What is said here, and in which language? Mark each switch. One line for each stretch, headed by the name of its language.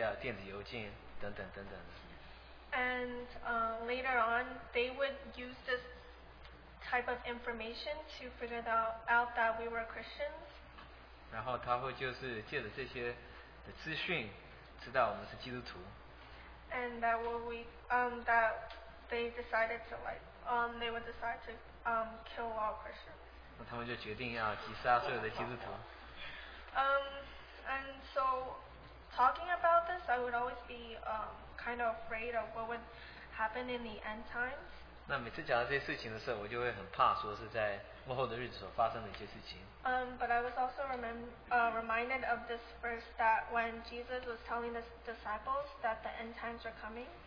Chinese: 那回家路上我们也在讲到这些事情，那我们在新闻上也看到说是有这个人，那他就讲到一件事情，说就是这个政府在查看我们的这个个人的资料、电子邮件等等等等。
English: And later on, they would use this type of information to figure out that we were Christians.
Chinese: 然后他会就是借着这些的资讯，知道我们是基督徒。
English: And that we that they decided to like they would decide to kill all Christians.
Chinese: 那他们就决定要击杀所有的基督徒。
English: And so talking about this, I would always be kind of afraid of what would happen in the end times.
Chinese: 那每次讲到这些事情的时候，我就会很怕，说是在幕后的日子所发生的一些事情。
English: But I was also reminded of this verse that when Jesus was telling the disciples that the end times are coming.